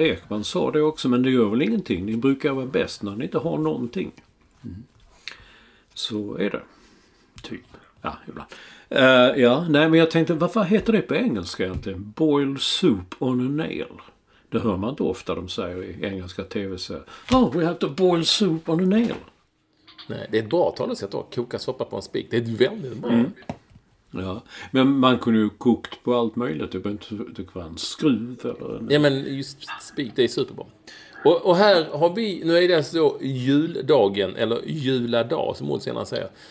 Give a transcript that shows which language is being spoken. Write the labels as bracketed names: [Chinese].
[Swedish] Ekman sa det också, men det gör väl ingenting, ni brukar vara bäst när ni inte har någonting. Så är det. Typ. Ja, ibland. Ja, nej, men jag tänkte, varför heter det på engelska egentligen? [English] Boiled soup on a nail. [Swedish] Det hör man inte ofta de säger i engelska tv-serier. [English] Oh, we have to boil soup on a nail. [Swedish] Nej, det är ett bra talesätt att koka soppa på en spik. Det är väldigt bra. Ja, men man kunde ju kokt på allt möjligt. Det var inte det var en skruv eller en... Ja, men just spik, det är superbra. Och här har vi, nu är det alltså då juldagen, eller juladag som hon senare säger.